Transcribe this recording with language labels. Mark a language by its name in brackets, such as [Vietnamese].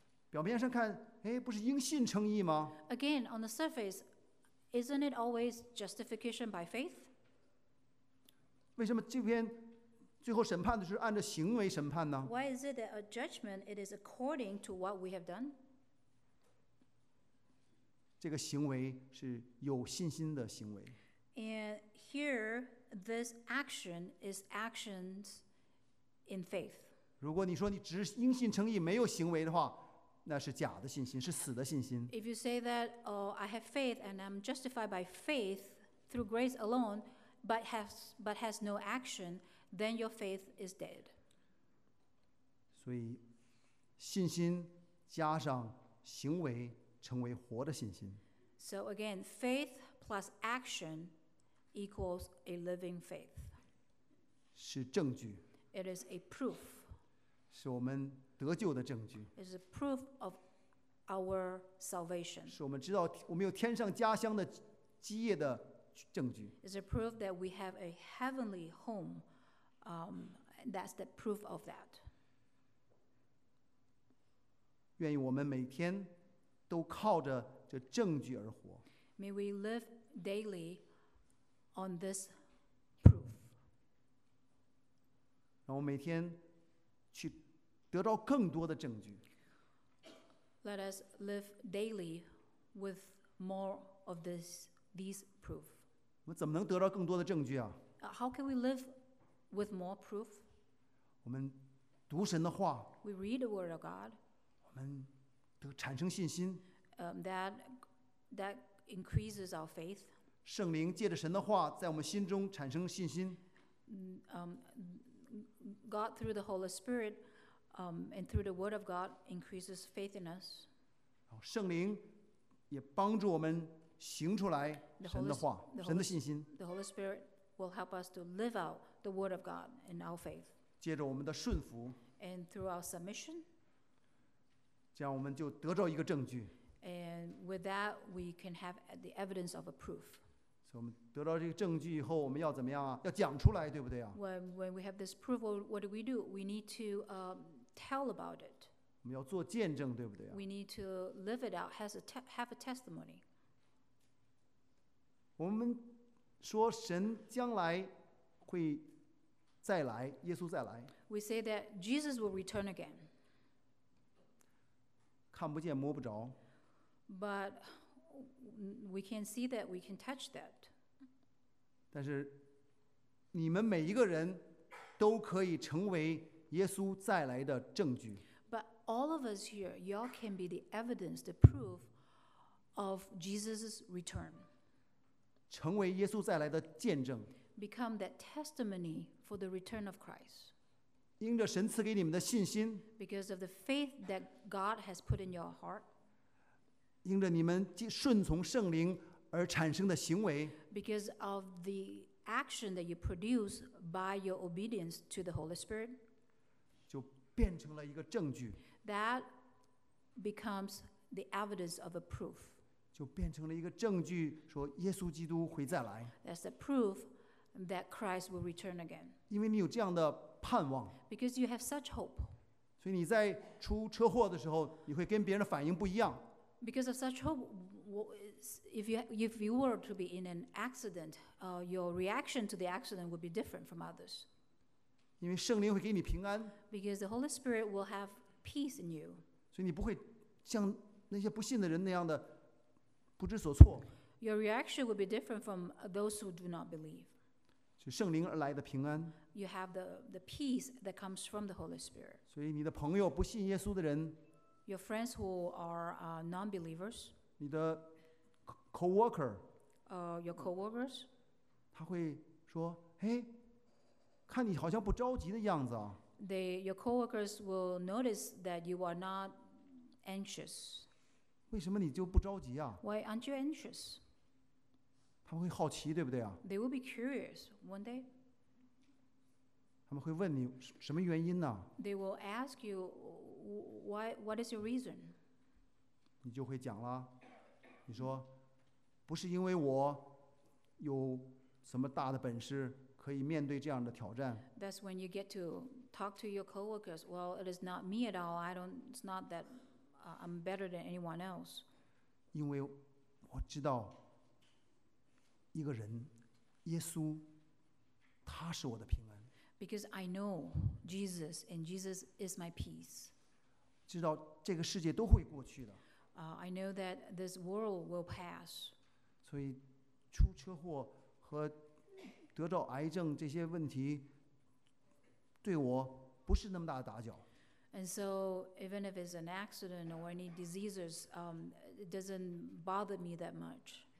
[Chinese] 表面上看，哎，不是因信称义吗？ [English] Again, on the surface, isn't it always justification by faith? [Chinese] 为什么这篇？最后审判的是按照行为审判呢？ [English] Why is it that a judgment it is according to what we have done? [Chinese] 这个行为是有信心的行为。 [English] And here, this action is actions in faith. [Chinese] 如果你说你只因信称义没有行为的话，那是假的信心，是死的信心。 [English] If you say that, oh, I have faith and I'm justified by faith through grace alone, but has no action, then your faith is dead. [Chinese] 所以信心加上行为成为活的信心。 [English] So again, faith plus action equals a living faith. [Chinese] 是证据。 [English] It is a proof. [Chinese] 是我们得救的证据。 [English] It is a proof of our salvation. [Chinese] 是我们知道我们有天上家乡的基业的证据。 [English] It is a proof that we have a heavenly home. That's the proof of that. [Chinese] 愿意我们每天都靠着这证据而活。 [English] May we live daily on this proof. [Chinese] 让我每天去得到更多的证据。 [English] Let us live daily with more of these proof. [Chinese] 我们怎么能得到更多的证据啊？ [English] How can we live with more proof? [Chinese] 我们读神的话, [English] we read the word of God. [Chinese] 我们得产生信心, [English] that increases our faith. [Chinese] 圣灵借着神的话在我们心中产生信心, [English] God through the Holy Spirit, and through the word of God increases faith in us. [Chinese] 圣灵也帮助我们行出来神的话, 神的信心。 [English] The Holy Spirit will help us to live out the word of God in our faith. [Chinese] 借着我们的顺服, [English] and through our submission, [Chinese] 这样我们就得着一个证据, [English] and with that, we can have the evidence of a proof. [Chinese] 所以我们得到这个证据以后, 我们要怎么样啊? 要讲出来, 对不对啊? [English] When we have this proof, what do we do? We need to tell about it. [Chinese] 我们要做见证, 对不对啊? [English] We need to live it out, have a testimony. [Chinese] 我们说神将来会再来，耶稣再来。 [English] We say that Jesus will return again. [Chinese] 看不见摸不着。 [English] But we can see that, we can touch that. [Chinese] 但是你们每一个人都可以成为耶稣再来的证据。 [English] But all of us here, y'all can be the evidence, the proof of Jesus' return. [Chinese] 成为耶稣再来的见证。 [English] Become that testimony for the return of Christ. [Chinese] 因着神赐给你们的信心。 [English] Because of the faith that God has put in your heart. [Chinese] 因着你们顺从圣灵而产生的行为。 [English] Because of the action that you produce by your obedience to the Holy Spirit. [Chinese] 就变成了一个证据。 [English] That becomes the evidence of a proof. [Chinese] 就变成了一个证据，说耶稣基督会再来。 [English] That's the proof that Christ will return again. [Chinese] 因为你有这样的盼望。 [English] Because you have such hope. [Chinese] 所以你在出车祸的时候，你会跟别人的反应不一样。 [English] Because of such hope, if you were to be in an accident, your reaction to the accident would be different from others. [Chinese] 因为圣灵会给你平安。 [English] Because the Holy Spirit will have peace in you. [Chinese] 所以你不会像那些不信的人那样的不知所措。 [English] Your reaction would be different from those who do not believe. [Chinese] 是圣灵而来的平安。 [English] You have the peace that comes from the Holy Spirit. [Chinese] 所以你的朋友不信耶稣的人。 [English] Your friends who are non-believers. [Chinese] 你的 coworker. [English] Your coworkers. [Chinese] 他会说，嘿，看你好像不着急的样子啊。 [English] Your coworkers will notice that you are not anxious. [Chinese] 为什么你就不着急啊？ [English] Why aren't you anxious? [Chinese] 他们会好奇，对不对啊？ [English] They will be curious, won't they? [Chinese] 他们会问你什么原因呢？ [English] They will ask you why, what is your reason? [Chinese] 你就会讲了，你说不是因为我有什么大的本事。可以面对这样的挑战。 [English] That's when you get to talk to your coworkers. Well, it is not me at all. It's not that I'm better than anyone else. [Chinese] 因为我知道一个人，耶稣，他是我的平安。 [English] Because I know Jesus, and Jesus is my peace. [Chinese] 知道这个世界都会过去的。 [English] I know that this world will pass. [Chinese] 所以出车祸和得到癌症这些问题对我不是那么大的打搅。 [English] And so, even if it's an accident or any diseases, it doesn't bother me that much.